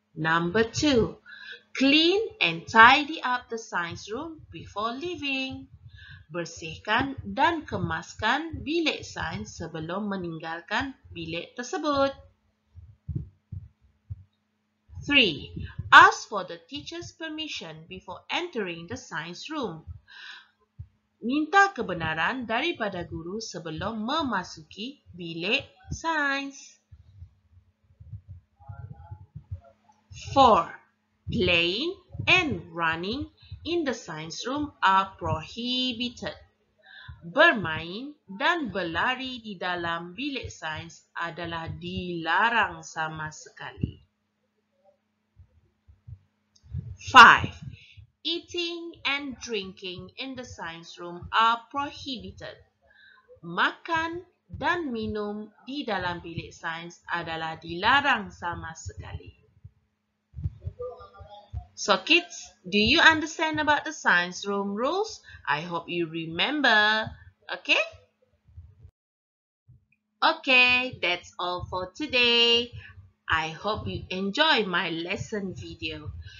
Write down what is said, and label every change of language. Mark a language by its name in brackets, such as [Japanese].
[English] Number two, clean and tidy up the science room before leaving. [Malay] Bersihkan dan kemaskan bilik sains sebelum meninggalkan bilik tersebut. [English] Three, ask for the teacher's permission before entering the science room. [Malay] Minta kebenaran daripada guru sebelum memasuki bilik sains. [English] 4. Playing and running in the science room are prohibited. [Malay] Bermain dan berlari di dalam bilik sains adalah dilarang sama sekali. [English] 5. Eating and drinking in the science room are prohibited. [Malay] Makan dan minum di dalam bilik sains adalah dilarang sama sekali. [English] So kids, do you understand about the science room rules? I hope you remember. Okay? Okay, that's all for today. I hope you enjoy my lesson video.